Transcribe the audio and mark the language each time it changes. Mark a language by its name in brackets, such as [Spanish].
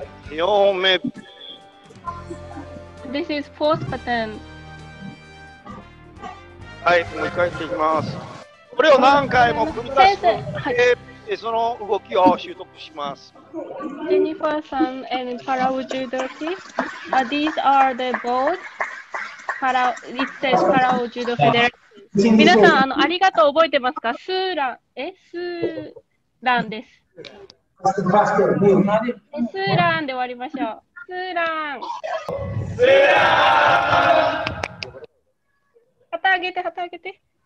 [Japanese] 4本目。 [English] This is fourth pattern. [Japanese] はい、もう一回していきます。これを何回も繰り返すことで、その動きを習得します。 [English] Jennifer san and Palau Judo Kids, these are the both Palau, it says Palau Judo Federation. [Japanese] 皆さん、ありがとう覚えてますか？スーラン、スーランです。スーランで終わりましょう。スーラン旗あげて、旗あげて。